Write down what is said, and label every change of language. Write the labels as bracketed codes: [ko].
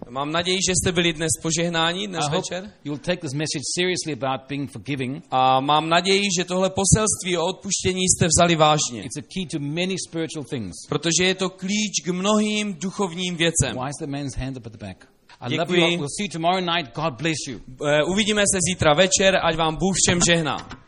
[cs] Mám naději, že jste byli dnes požehnáni dnes večer. [en] You'll take this message seriously about being forgiving. [cs] A mám naději, že tohle poselství o odpuštění jste vzali vážně. [en] It's a key to many spiritual things. [cs] Protože je to klíč k mnohým duchovním věcem. [en] Why is the man's hand up at the back? I love you. We'll see you tomorrow night. God bless you. [cs] Uvidíme se zítra večer, ať vám Bůh všem žehná.